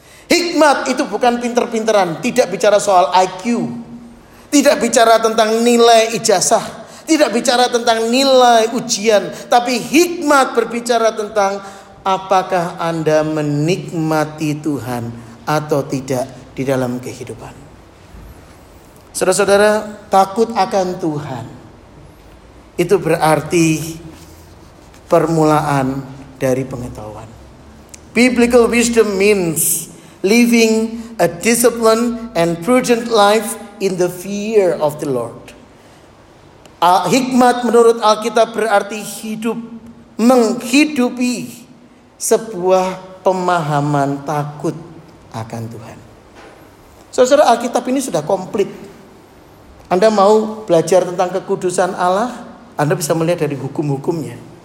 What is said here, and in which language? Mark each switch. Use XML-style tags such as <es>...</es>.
<id>Hikmat itu bukan pinter-pinteran, tidak bicara soal IQ, tidak bicara tentang nilai ijazah, tidak bicara tentang nilai ujian, tapi hikmat berbicara tentang apakah Anda menikmati Tuhan atau tidak di dalam kehidupan. Saudara-saudara, takut akan Tuhan itu berarti permulaan dari pengetahuan.</id> <en>Biblical wisdom means living a disciplined and prudent life in the fear of the Lord.</en> <id>Hikmat menurut Alkitab berarti hidup, menghidupi sebuah pemahaman takut akan Tuhan. Saudara, Alkitab ini sudah komplit. Anda mau belajar tentang kekudusan Allah, Anda bisa melihat dari hukum-hukumnya.</id>